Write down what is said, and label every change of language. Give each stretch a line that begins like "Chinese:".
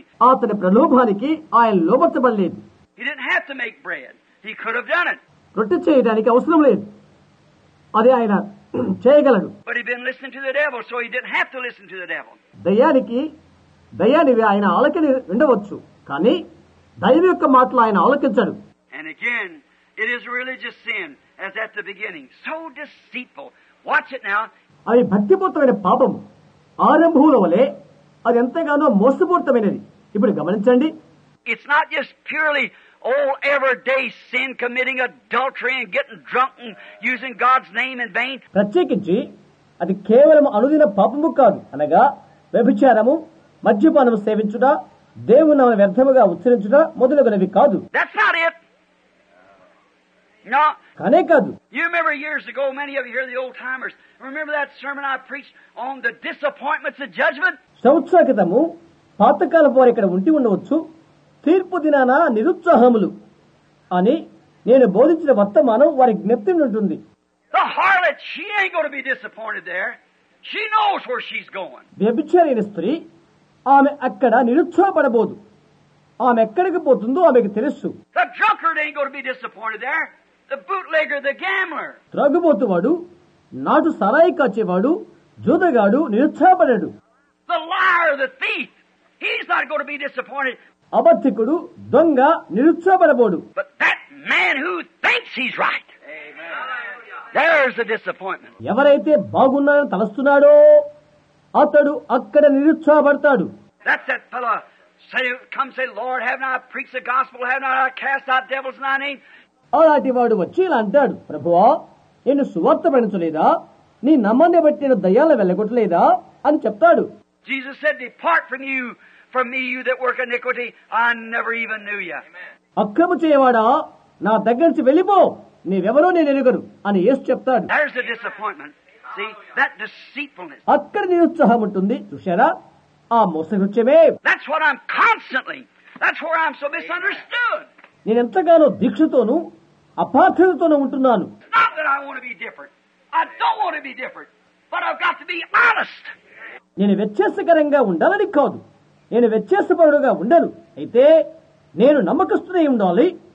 Telugu: అతని ప్రలోభానికి ఆయన లోబర్చబడలేదు.
English: He didn't have to make bread. He could have done it.
Telugu: రొట్టె చేయడానికి అవసరం లేదు. అది ఆయన చేయగలడు.
English: But he been listening to the devil, so he didn't have to listen to the devil.
Telugu: దయ్యానికి దయ్యాని ఆయన ఆలకించి ఉండవచ్చు, కానీ దైవం యొక్క మాటలు ఆయన ఆలకించాడు.
English: And again, it is religious sin as at the beginning. So deceitful. Watch it now.
Telugu: అది భక్తిపూర్తమైన పాపం. ఆరంభంలో వలె అది ఎంతగానో మోసపూరితమైనది. ఇప్పుడు గమనించండి.
English: It's not just purely old everyday sin, committing adultery and getting drunk and using God's name in vain.
Telugu: ప్రత్యేకించి అది కేవలం అనుదిన పాపము కాదు, అనగా వ్యభిచారము, మద్యపానము సేవించుట, దేవుని నామ వ్యర్థముగా ఉచ్చరించుట మొదలగునవి కాదు.
English: That's not it. No.
Telugu: కానే కాదు.
English: You remember years ago, many of you here, the old timers, remember that sermon I preached on the disappointments of judgment?
Telugu: సంవత్సరకితము పాతకాలపు వారు ఇక్కడ ఉంటి ఉండవచ్చు. తీర్పు దినాన నిరుత్సాహములు అని నేను బోధించిన వర్తమానం వారి జ్ఞప్తి ఉంటుంది.
English: The harlot, she ain't going to be disappointed there. She knows where she's going.
Telugu: వ్యభిచారిణి స్త్రీ ఆమె అక్కడ నిరుత్సాహపడబోదు. ఆమె ఎక్కడికి పోతుందో ఆమెకు తెలుసు.
English: The drunkard ain't going to be disappointed there. The bootlegger, the gambler.
Telugu: త్రాగుబోతువాడు, నాటు Sarai కాచేవాడు, జూదగాడు నిరుత్సాహపడడు.
English: The liar, the thief, he's not going to be disappointed.
Telugu: అబద్ధికుడు, దొంగ నిరుత్సాహపడబోడు.
English: But that man who thinks he's right. Amen. There's a disappointment.
Telugu: ఎవరైతే బాగున్నారని తలస్తున్నాడో అతడు అక్కడ నిరుత్సాహపడతాడు.
English: That's that fellow. Say, come say, Lord, haven't I preached the gospel? Haven't I cast out devils in thy name?
Telugu: అలాంటి వాడు వచ్చి ఇలా అంటాడు, ప్రభువా, నేను సువార్త ప్రకటించలేదా? నీ నామాన్ని బట్టి నేను దయ్యాలను వెళ్ళగొట్టలేదా అని చెప్తాడు.
English: Jesus said, depart from you. From me, you that work iniquity, I never even knew ya.
Telugu: అక్రమ చేయవాడ, నా దగ్గర నుంచి వెళ్ళిపో, నీవెవరో నేను ఎరుగను అని యేసు చెప్తాడు.
English: There's the disappointment. See, that deceitfulness.
Telugu: అక్కడ నిరుత్సాహం ఉంటుంది, చూశారా, ఆ మోసగుచ్చమే.
English: That's what I'm constantly, that's where I'm so misunderstood.
Telugu: నేను ఎంతగానో దీక్షతోను అపార్థతతోను ఉంటున్నాను.
English: Not that I want to be different. I don't want to be different. But I've got to be honest.
Telugu: నేను వ్యత్యాసకరంగా ఉండాలని కాదు, నేను వ్యత్యాసపరుడుగా ఉండను. అయితే నేను నమ్మకస్తునే ఉండాలి.